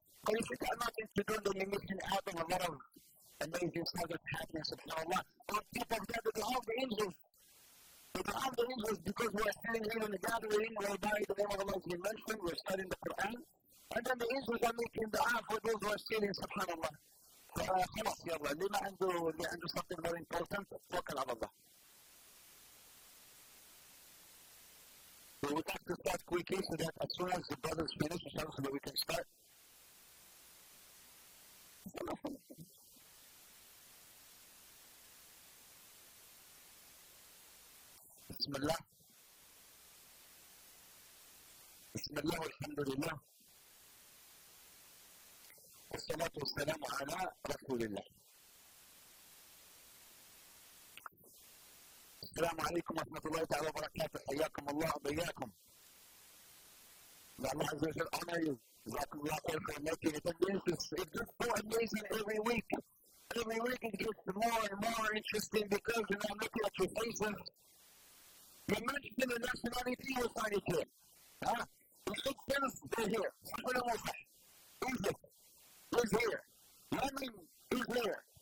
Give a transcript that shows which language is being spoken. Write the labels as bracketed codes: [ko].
[en] But if you got nothing to do, then you're missing out on a lot of amazing stuff that's happening, subhanAllah. But people gather to all the angels. But to all the angels, because we're standing here in the gathering, whereby the name of Allah is mentioned, we're studying the Quran. And then the angels are making the dua for those who are standing, subhanAllah. [ar] خلاص يلا اللي ما عنده اللي عنده something very important توكل على الله. [en] We would like to start quickly so that as soon as the brothers finish, so that we can start. [ar] بسم الله. بسم الله والحمد لله. والصلاة والسلام على رسول الله. السلام عليكم ورحمة الله تعالى وبركاته. حياكم الله وبياكم. الله عز وجل honor you. [en] Thank you all for making it. It's just so amazing every week. Every week it gets more and more interesting because you know, looking at your faces, you mention the nationality you find it here. You should tell us they're here. Sahara Musa. Egypt. Is here. Yemen is here.